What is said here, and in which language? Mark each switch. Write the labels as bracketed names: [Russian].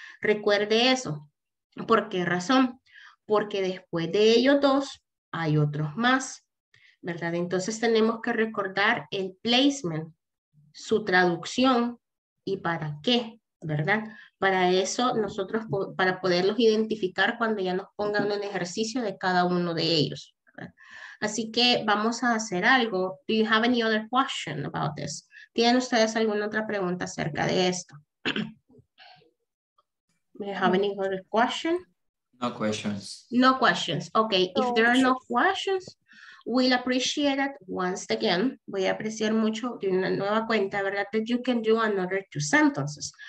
[Spanish] Recuerde eso. ¿Por qué razón? Porque después de ellos dos, hay otros más, ¿verdad? Entonces tenemos que recordar el placement, su traducción y para qué, ¿verdad? Para eso nosotros, para poderlos identificar cuando ya nos pongan un ejercicio de cada uno de ellos, ¿verdad? Así que vamos a hacer algo. [English] Do you have any other question about this? [Spanish] ¿Tienen ustedes alguna otra pregunta acerca de esto? [English] Do you have any other question? No questions. No questions. Okay. No. If there are no questions, we'll appreciate it once again. [Spanish] Voy a apreciar mucho de una nueva cuenta, ¿verdad? [English] That you can do another two sentences.